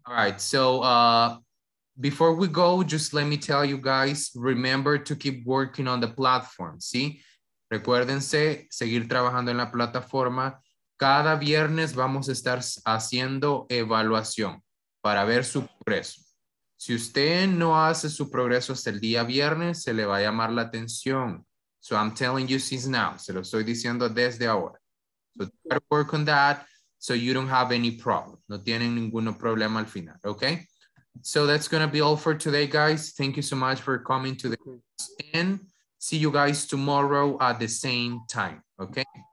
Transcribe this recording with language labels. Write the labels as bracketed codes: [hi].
[en] All right, so before we go, just let me tell you guys, remember to keep working on the platform, ¿sí? [es] Recuérdense, seguir trabajando en la plataforma. Cada viernes vamos a estar haciendo evaluación para ver su progreso. Si usted no hace su progreso hasta el día viernes, se le va a llamar la atención. [en] So I'm telling you since now. [es] Se lo estoy diciendo desde ahora. [en] So try to work on that so you don't have any problem. [es] No tienen ningún problema al final, [en] okay? So that's going to be all for today, guys. Thank you so much for coming to the class. And see you guys tomorrow at the same time, okay?